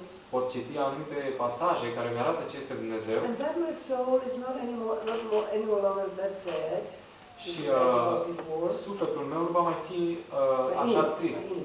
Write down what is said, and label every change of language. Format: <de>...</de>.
<ro>Pot citi anumite pasaje care mi arată ce este Dumnezeu.</ro> <en>And that my soul is not any more longer that sad.</en> <ro>Și sufletul meu nu va mai fi așa trist.</ro>